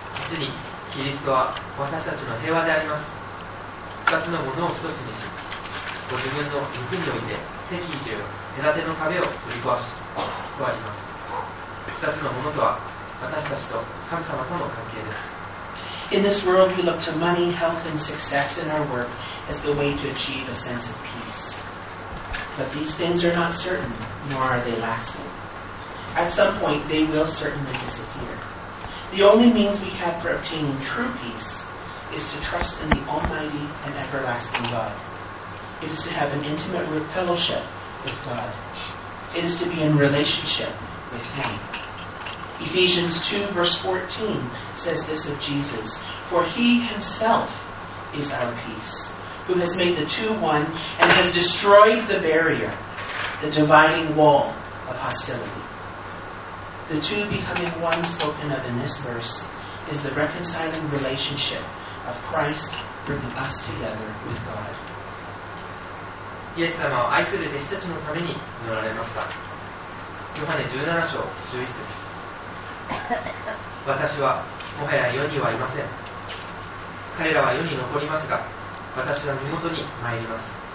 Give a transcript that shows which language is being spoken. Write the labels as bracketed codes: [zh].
[ja] 実にキリストは私たちの平和であります。二つのものを一つにし、ご自分の肉において敵意という隔ての壁を取り壊し、とあります。二つのものとは私たちと神様との関係です。 [en] In this world, we look to money, health, and success in our work as the way to achieve a sense of peace. But these things are not certain, nor are they lasting. At some point, they will certainly disappear. The only means we have for obtaining true peace is to trust in the Almighty and Everlasting God. It is to have an intimate fellowship with God. It is to be in relationship with Him. Ephesians 2 verse 14 says this of Jesus, For he himself is our peace, who has made the two one and has destroyed the barrier, the dividing wall of hostility. The two becoming one spoken of in this verse is the reconciling relationship of Christ bringing us together with God. [ja] イエス様を愛する弟子たちのために祈られました。ヨハネ17章11節。私はもはや世にはいません。彼らは世に残りますが、私は身元に参ります。